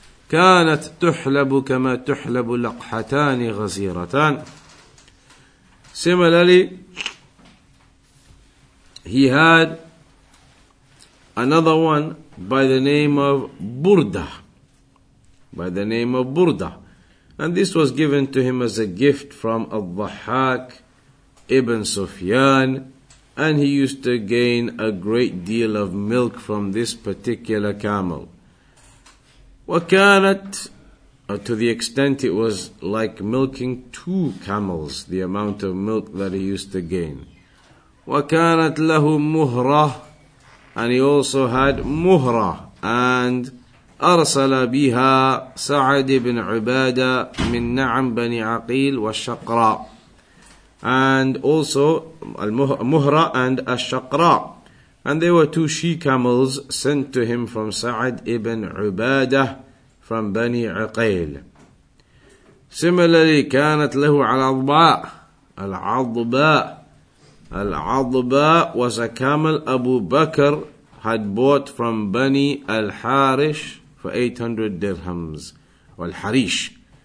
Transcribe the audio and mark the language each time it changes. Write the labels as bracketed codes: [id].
[ar] كانت تحلب كما تحلب لقحتان غزيرتان. [en] Similarly, he had another one by the name of Burda. By the name of Burda. And this was given to him as a gift from Al-Dhahhak ibn Sufyan. And he used to gain a great deal of milk from this particular camel. [ar] وَكَانَتْ, [en] to the extent it was like milking two camels, the amount of milk that he used to gain. [ar] وَكَانَتْ لَهُ مُهْرَةً, [en] and he also had muhra, and [ar] أَرْسَلَ بِهَا سَعَدْ بِنْ عُبَادَ مِنْ نَعَمْ بَنِ عَقِيلْ وَالشَّقْرَى. [en] And also muhra and [ar] الشَّقْرَى. [en] And there were two she-camels sent to him from Sa'ad ibn Ubadah from Bani Uqayl. Similarly, [ar] كانت له العضباء. العضباء. العضباء was a camel Abu Bakr had bought from Bani Al-Harish for 800 dirhams. والحريش.